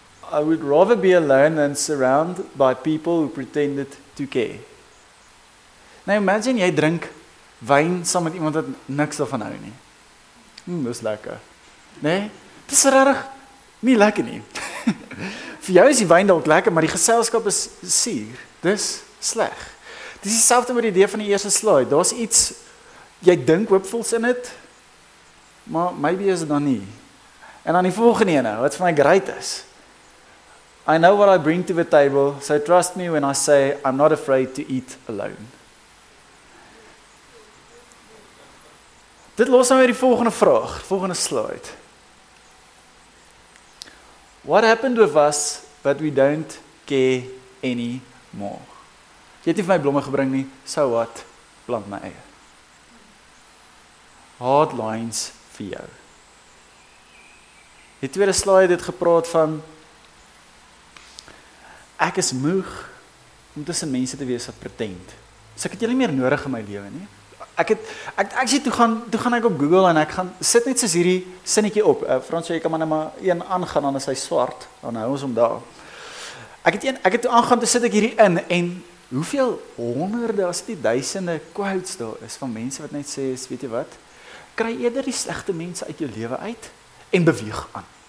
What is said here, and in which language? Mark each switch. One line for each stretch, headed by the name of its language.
English: I would rather be alone than surrounded by people who pretended to care. Now imagine
Afrikaans: jy drink wyn saam met iemand wat niks daarvan hou nie. Dis lekker. Nee, dis regtig nie lekker nie. Vir jou is die wyn dalk lekker, maar die geselskap is suur. Dis sleg. Dis dieselfde met die idee van die eerste slide. Daar's iets jy dink hoopvols in dit, maar maybe is dit dan nie. En dan die volgende ene, wat vir my great is.
English: I know what I bring to the table, so trust me when I say I'm not afraid to eat alone.
Afrikaans: Dit los nou weer die volgende vraag, volgende slide.
English: What happened with us that we don't care anymore?
Afrikaans: Jy het nie vir my blomme gebring nie, so what? Plant my eie.
English: Hard lines
Afrikaans: vir jou. Die tweede slide het gepraat van ek is moeg om tussen mense te wees wat pretend. So ek het julle meer nodig in my lewe nie. Ek gaan ek op Google en ek gaan sit net soos hierdie sinnetjie op. Frans, jy kan maar net maar een aangaan dan is hy swart. Dan hou ons om daar. Ek sit hierdie in en hoeveel honderde as dit duisende quotes daar is van mense wat net sê, weet jy wat? Kry eerder die slegte mense uit jou lewe uit en beweeg aan.